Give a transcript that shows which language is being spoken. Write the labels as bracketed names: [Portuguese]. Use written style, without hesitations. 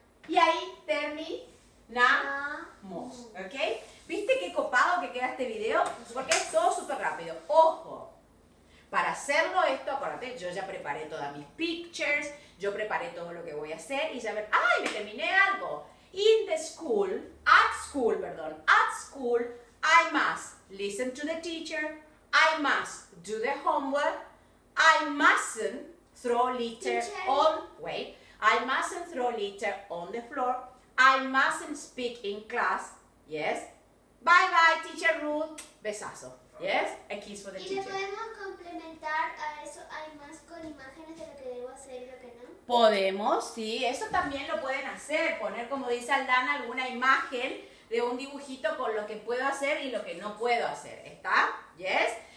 [Spanish] Y ahí terminamos. Okay? ¿Viste qué copado que queda este video? Porque es todo súper rápido. ¡Ojo! Para hacerlo esto, acuérdate, yo ya preparé todas mis pictures, yo preparé todo lo que voy a hacer y ya ver, ¡ay! Me terminé algo. [English] At school, I must listen to the teacher, I must do the homework, I mustn't throw litter on, I mustn't throw litter on the floor, I mustn't speak in class, yes, Bye bye, teacher Ruth. Besazo. Yes? A kiss for the teacher. [Spanish] ¿Y le podemos complementar a eso, además, con imágenes de lo que debo hacer y lo que no? Podemos, sí. Eso también lo pueden hacer. Poner, como dice Aldana, alguna imagen de un dibujito con lo que puedo hacer y lo que no puedo hacer. ¿Está? Yes?